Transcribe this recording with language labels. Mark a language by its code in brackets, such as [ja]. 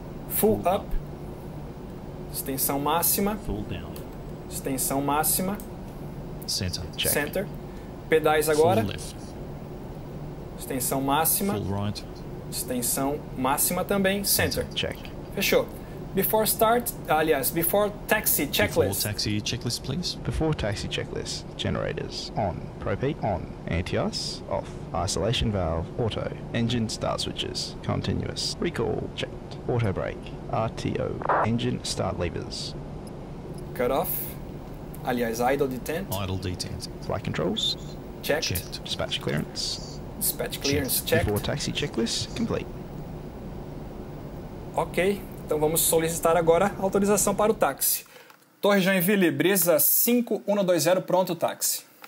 [en] Full up. [pt] Extensão máxima. [en] Full down. [pt] Extensão máxima. [en] Center. Check. Center. [pt] Pedais agora. [en] Full left. [pt] Extensão máxima. [en] Full right. [pt] Extensão máxima também. [en] Center. Check. Fechou. Before start, aliás, before taxi checklist. Before taxi checklist, please. Before taxi checklist. Generators on. Propeat on. Anti-ice off. Isolation valve auto. Engine start switches continuous. Recall checked. Auto brake. RTO. Engine start levers. Cut off. Aliás, idle detent. Idle detent. Flight controls. Checked. Checked. Dispatch clearance. Dispatch clearance checked. Before taxi checklist complete. Ok. [pt] Então vamos solicitar agora autorização para o táxi. Torre Joinville, Brisa 5120, pronto, táxi.